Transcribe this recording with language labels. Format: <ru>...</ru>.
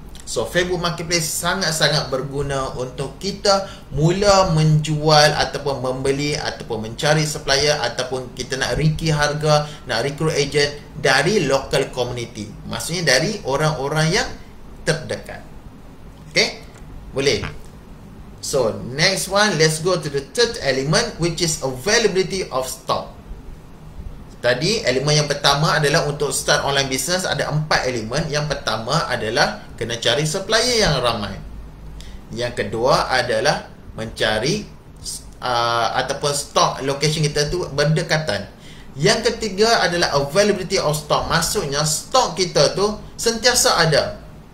<ms>So Facebook Marketplace sangat-sangat berguna untuk kita mula menjual ataupun membeli ataupun mencari supplier, ataupun kita nak ringkih harga, nak recruit agent dari local community. Maksudnya dari orang-orang yang terdekat. Okay, boleh.</ms> <en>So next one, let's go to the third element, which is availability of stock.</en> <ms>Tadi elemen yang pertama adalah untuk</ms> <en>start online business,</en> <ms>ada 4 elemen. Yang pertama adalah kena cari supplier yang ramai. Yang kedua adalah mencari ataupun stock location kita tu berdekatan. Yang ketiga adalah availability of stock. Maksudnya stock kita tu sentiasa ada.</ms>